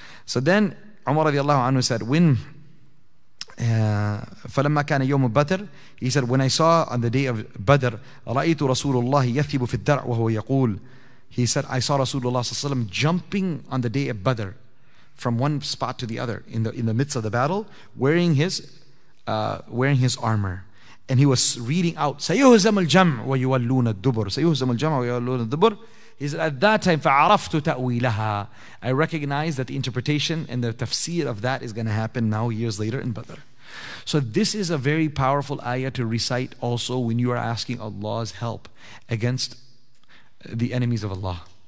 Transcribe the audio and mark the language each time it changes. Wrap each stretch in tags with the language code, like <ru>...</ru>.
<en>So then Umar radiallahu anhu said, when</en> <ar>فلما كان يوم بدر,</ar> <en>he said, when I saw on the day of Badr,</en> <ar>رأيت رسول الله يثيب في الدرع وهو يقول,</ar> <en>he said, I saw Rasulullah sallallahu alayhi wa sallam jumping on the day of Badr from one spot to the other in the midst of the battle, wearing his armor. And he was reading out,</en> <ar>سَيُهُزَمُ الْجَمْعُ وَيُوَلُّونَ الدُّبُرِ, سَيُهُزَمُ الْجَمْعُ وَيُوَلُّونَ الدُّبُرِ.</ar> <en>He said, at that time,</en> <ar>فَعَرَفْتُ تَأْوِيلَهَا,</ar> <en>I recognize that the interpretation and the tafsir of that is going to happen now years later in Badr. So this is a very powerful ayah to recite also when you are asking Allah's help against the enemies of Allah.</en>